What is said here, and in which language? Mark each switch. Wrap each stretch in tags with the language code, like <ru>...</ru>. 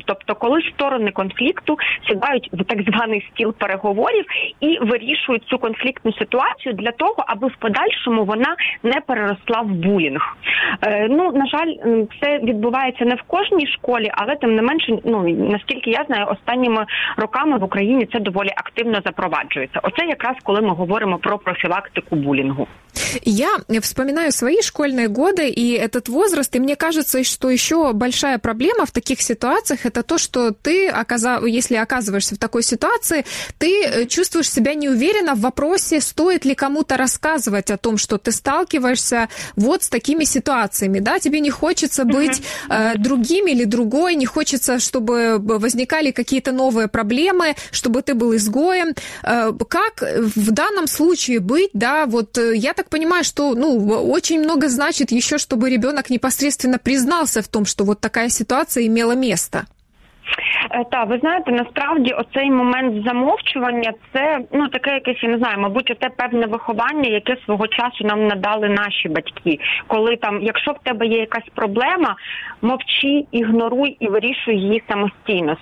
<uk>Тобто, коли сторони конфлікту сідають в так званий стіл переговорів і вирішують цю конфліктну ситуацію для того, аби в подальшому вона не переросла в булінг. Ну, на жаль, це відбувається не в кожній школі, але тим не менше, ну, наскільки я знаю, останніми роками в Україні це доволі активно запроваджується. Оце якраз, коли ми говоримо про профілактику булінгу.</uk> <ru>Я вспоминаю свои школьные годы и этот возраст, и мне кажется, что еще большая проблема в таких ситуациях – это то, что ты, если оказываешься в такой ситуации, ты чувствуешь себя неуверенно в вопросе, стоит ли кому-то рассказывать о том, что ты сталкиваешься вот с такими ситуациями. Да? Тебе не хочется быть другим или другой, не хочется, чтобы возникали какие-то новые проблемы, чтобы ты был изгоем. Как в данном случае быть, да, вот я так понимаю, что, ну, очень много значит еще, чтобы ребенок непосредственно признался в том, что вот такая ситуация имела место.</ru> <uk>Так, ви знаєте, насправді оцей момент замовчування – це, ну, таке якесь, я не знаю, мабуть, оте певне виховання, яке свого часу нам надали наші батьки. Коли там, якщо в тебе є якась проблема, мовчи, ігноруй і вирішуй її самостійно.</uk>